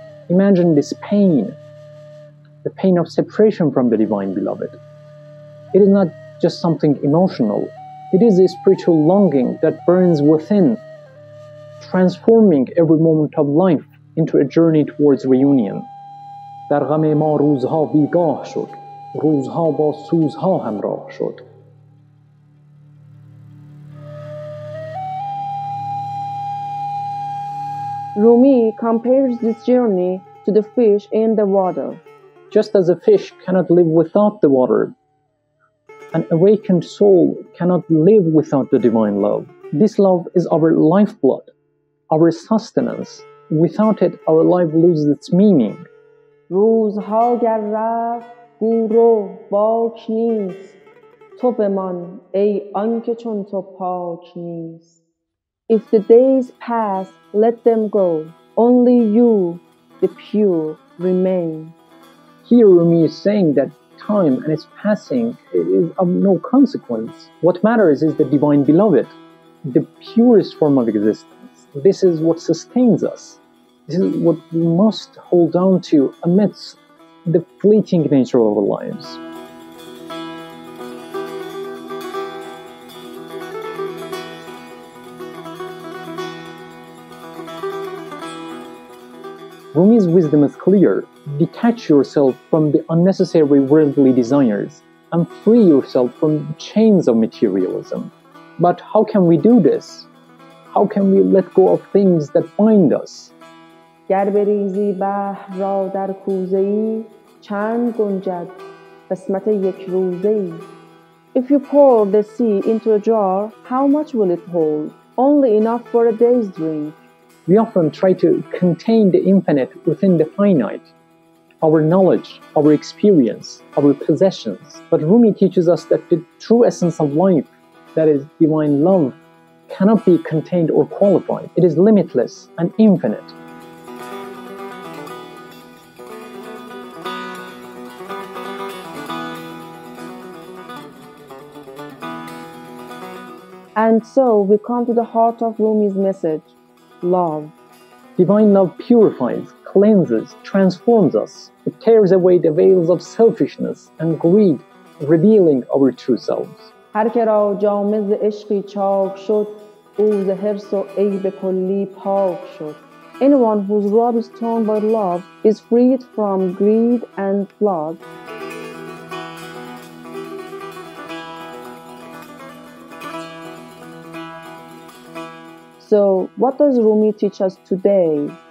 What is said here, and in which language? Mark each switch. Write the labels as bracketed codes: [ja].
[en] Imagine this pain, the pain of separation from the divine beloved. It is not just something emotional. It is a spiritual longing that burns within, transforming every moment of life into a journey towards reunion. [fa] در غم ما روزها بیگاه شد، روزها با سوزها همراه شد. [en] Rumi compares this journey to the fish in the water. Just as a fish cannot live without the water, an awakened soul cannot live without the divine love. This love is our lifeblood, our sustenance. Without it, our life loses its meaning. [fa] روزها گر رفت گورو باک نیست تو بمان ای آنکه چون تو پاک نیست. [en] If the days pass, let them go. Only you, the pure, remain. Here Rumi is saying that time and its passing is of no consequence. What matters is the divine beloved, the purest form of existence. This is what sustains us. This is what we must hold on to amidst the fleeting nature of our lives. Rumi's wisdom is clear. Detach yourself from the unnecessary worldly desires and free yourself from the chains of materialism. But how can we do this? How can we let go of things that bind us? [fa] گر بریزی بحر را در کوزه ای چند گنجد قسمت یک روزه ای. [en] If you pour the sea into a jar, how much will it hold? Only enough for a day's drink. We often try to contain the infinite within the finite, our knowledge, our experience, our possessions. But Rumi teaches us that the true essence of life, that is divine love, cannot be contained or qualified. It is limitless and infinite. And so we come to the heart of Rumi's message. Love. Divine love purifies, cleanses, transforms us. It tears away the veils of selfishness and greed, revealing our true selves. [fa] هر که را جامه ز عشقی چاک شد، او ز حرص و عیب کلی پاک شد. [en] Anyone whose robe is torn by love is freed from greed and pride. So, what does Rumi teach us today?